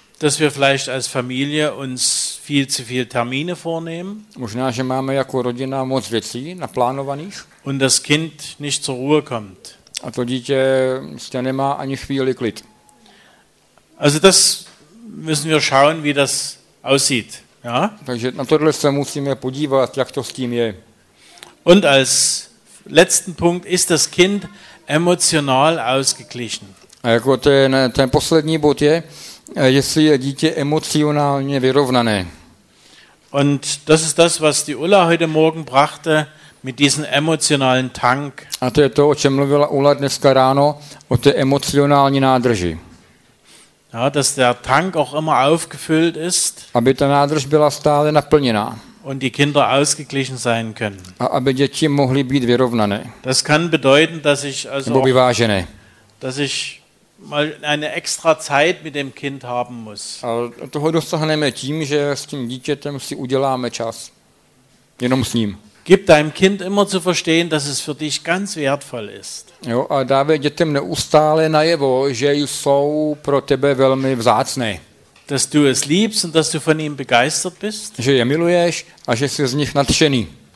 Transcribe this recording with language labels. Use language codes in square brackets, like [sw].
[de] Dass wir vielleicht als Familie uns viel zu viel Termine vornehmen. [cs] Možná, že máme jako rodina moc věcí naplánovaných. [de] Und das Kind nicht zur Ruhe kommt. [cs] A to dítě stejně nemá ani chvíli klid. [de] Also das müssen wir schauen, wie das aussieht, ja? [cs] Takže na tohle se musíme podívat, jak to s tím je. [de] Und als letzten Punkt ist das Kind emotional ausgeglichen. [cs] A jako ten poslední bod je, jestli je dítě emocionálně vyrovnané. [de] Und das ist das, was die Ulla heute Morgen brachte mit diesem emotionalen Tank. [cs] A to je to, o čem mluvila Ulla dneska ráno, o té emocionální nádrži. [de] Ja, dass der Tank auch immer aufgefüllt ist. [cs] Aby ta nádrž byla stále naplněná. [de] Und die Kinder ausgeglichen sein können. [cs] A aby děti mohly být vyrovnané. [de] Das kann bedeuten, dass ich also [cs] nebo vyvážené. [de] Dass ich mal eine extra Zeit mit dem Kind haben muss. [cs] A toho dosáhneme tím, že s tím dítětem si uděláme čas. Jenom s ním. [de] Gib deinem Kind immer zu verstehen, dass es für dich ganz wertvoll ist. [cs] Jo, a dávej dětem neustále najevo, že jsou pro tebe velmi vzácné. [de] Dass du es liebst und dass du von ihm begeistert bist. [cs] Že je miluješ a že jsi z nich nadšený.